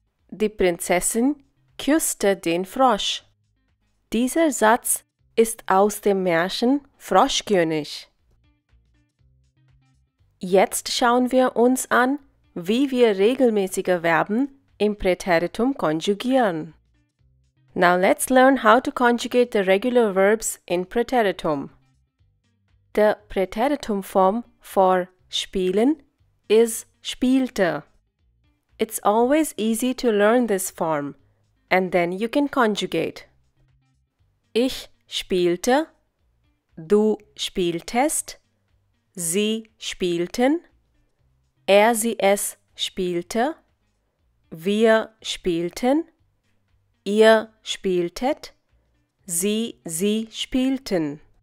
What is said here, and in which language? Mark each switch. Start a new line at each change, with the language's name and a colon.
German: Die Prinzessin küsste den Frosch. Dieser Satz ist aus dem Märchen Froschkönig. Jetzt schauen wir uns an, wie wir regelmäßige Verben im Präteritum konjugieren.
English: Now let's learn how to conjugate the regular verbs in Präteritum. The Präteritum form for spielen is spielte. It's always easy to learn this form, and then you can conjugate.
German: Ich spielte, du spieltest, sie spielten, sie es spielte, wir spielten, ihr spieltet, sie spielten.